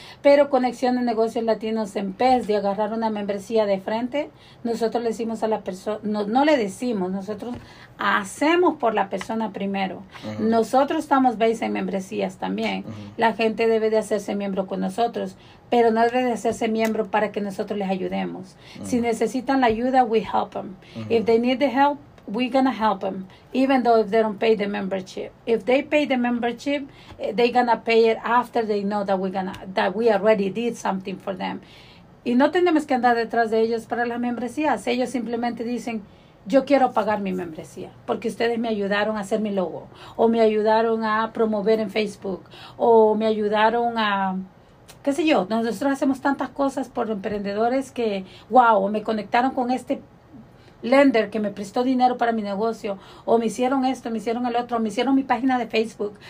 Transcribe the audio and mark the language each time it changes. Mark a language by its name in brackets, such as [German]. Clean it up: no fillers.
[Spanish] Pero Conexión de Negocios Latinos, en vez de agarrar una membresía de frente, nosotros le decimos a la persona, no le decimos, nosotros hacemos por la persona primero. Uh-huh. Nosotros estamos based en membresías también. Uh-huh. La gente debe de hacerse miembro con nosotros, pero no debe de hacerse miembro para que nosotros les ayudemos. Uh-huh. Si necesitan la ayuda, [English] we help them. [Spanish] Uh-huh. [English] If they need the help, we're gonna help them, even though if they don't pay the membership. If they pay the membership, they're gonna pay it after they know that we already did something for them. [Spanish] Y no tenemos que andar detrás de ellos para las membresías. Ellos simplemente dicen, yo quiero pagar mi membresía porque ustedes me ayudaron a hacer mi logo, o me ayudaron a promover en Facebook, o me ayudaron a, qué sé yo, nosotros hacemos tantas cosas por emprendedores que, wow, me conectaron con este lender que me prestó dinero para mi negocio, o me hicieron esto, me hicieron el otro, me hicieron mi página de Facebook.